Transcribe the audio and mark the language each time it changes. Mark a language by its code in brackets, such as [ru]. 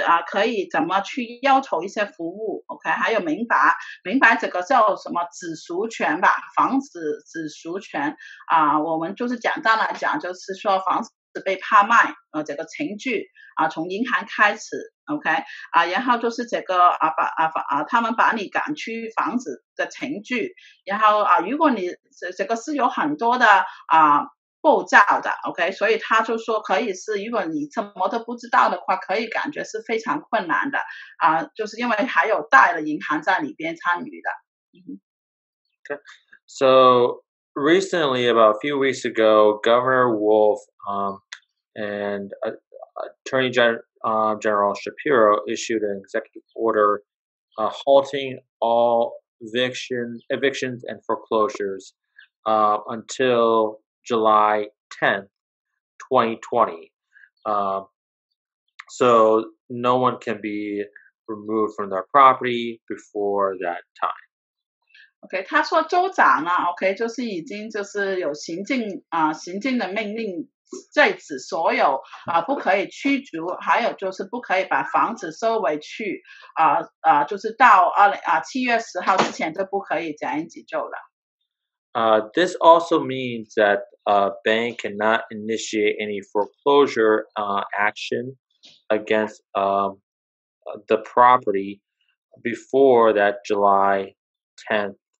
[zh] 可以怎么去要求一些服务 ,OK, 还有明白这个叫什么子属权吧房子子属权我们就是简单来讲就是说房子被拍卖这个程序从银行开始OK, 然后就是这个他们把你赶去房子的程序然后如果你这个是有很多的步骤的 ,OK, 所以他就说可以是如果你什么都不知道的话可以感觉是非常困难的就是因为还有贷的银行在里边参与的。 [en] OK, so recently, about a few weeks ago, Governor Wolf, and Attorney General Shapiro issued an executive order halting all evictions and foreclosures until July 10th, 2020. So no one can be removed from their property before that time. [zh] OK, 他说州长呢 ,OK, 就是已经就是有行政的命令在此所有不可以驱逐还有就是不可以把房子收回去就是到7月10号之前都不可以这样子做了。 [en] This also means that a bank cannot initiate any foreclosure action against the property before that July 10th.